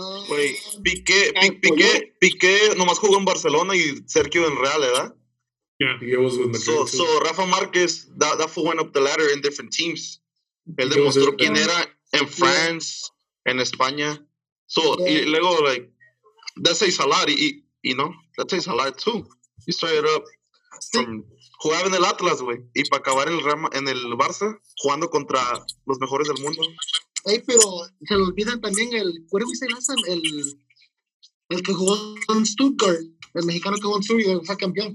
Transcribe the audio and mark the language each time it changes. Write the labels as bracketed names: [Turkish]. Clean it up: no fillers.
[Spanish] Wait, Piqué nomás jugó en Barcelona y Sergio en Real, ¿verdad? [English] Yeah. Piqué was with Madrid, so Rafa Márquez, that fool went up the ladder in different teams. [Spanish] Él demostró quién era. [English] In France, in [Spanish] España. [English] So, [Spanish] luego, [English] like, that says a lot, you know? That says a lot, too. He started up from [Spanish] jugando en el Atlas, güey. Y para acabar en el Barça, jugando contra los mejores del mundo. Hey, pero se lo olvidan también el... ¿Cuál es el El que jugó en Stuttgart. El mexicano que jugó en Stuttgart fue campeón.